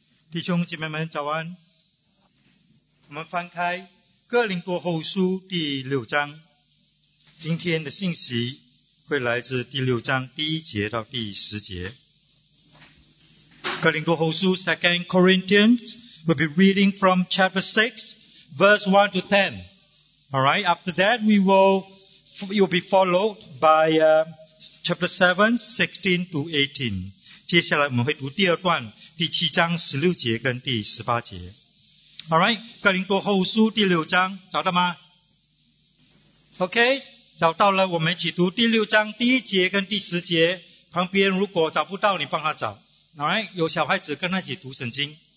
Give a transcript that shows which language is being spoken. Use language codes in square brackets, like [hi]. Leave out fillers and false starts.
[zh] 弟兄姐妹们早安，我们翻开哥林多后书第六章，今天的信息会来自第六章第一节到第十节。 [en] 哥林多后书 2 Corinthians will be reading from chapter 6 verse 1 to 10. Alright, after that we will, you will be followed by chapter 7, 16 to 18. [zh] 接下来我们会读第二段第七章十六节跟第十八节。 Alright, 哥林多后书第六章找到吗 ?OK, 找到了我们一起读第六章第一节跟第十节。旁边如果找不到你帮他找。Alright, 有小孩子跟他一起读圣经。